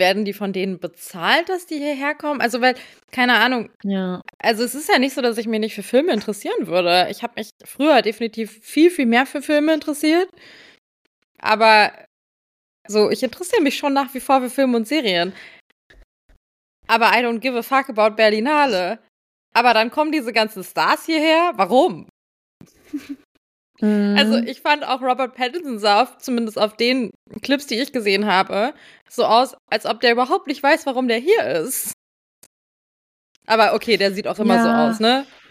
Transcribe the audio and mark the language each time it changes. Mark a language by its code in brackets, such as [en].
[de] Werden die von denen bezahlt, dass die hierher kommen? Also, weil, keine Ahnung. Ja. Also, es ist ja nicht so, dass ich mich nicht für Filme interessieren würde. Ich habe mich früher definitiv viel, viel mehr für Filme interessiert. Aber so, ich interessiere mich schon nach wie vor für Filme und Serien. Aber [en] I don't give a fuck about Berlinale. [de] Aber dann kommen diese ganzen Stars hierher. Warum? Also ich fand auch Robert Pattinson sah, zumindest auf den Clips, die ich gesehen habe, so aus, als ob der überhaupt nicht weiß, warum der hier ist. Aber okay, der sieht auch immer so aus, ne?